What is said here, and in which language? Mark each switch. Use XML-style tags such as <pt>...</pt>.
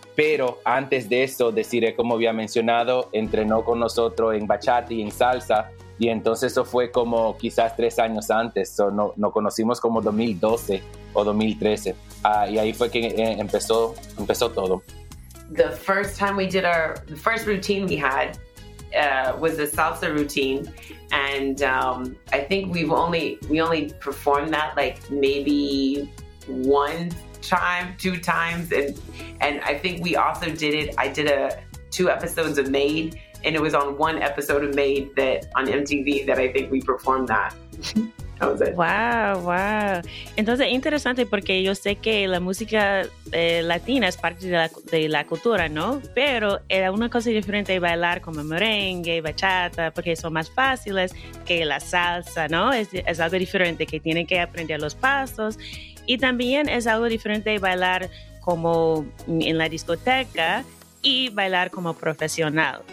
<es>Pero antes de eso, de Cire, como había mencionado, entrenó con nosotros en bachata y en salsa. Y entonces eso fue como quizás 3 años antes, nos conocimos como 2012 o 2013. Y ahí fue que empezó todo.</es> <en>The first time we did the first routine we had was a salsa routine. And I think we only performed that like maybe one time, two times. And I think we also did it, I did two episodes of Made. And it was on one episode of Made that on MTV that I think we performed that. That was it. Wow.</en> <es>Entonces, interesante porque yo sé que la música latina es parte de la cultura, ¿no? Pero era una cosa diferente bailar como merengue, bachata, porque son más fáciles que la salsa, ¿no? Es algo diferente que tienen que aprender los pasos. Y también es algo diferente bailar como en la discoteca y bailar como profesional.</es>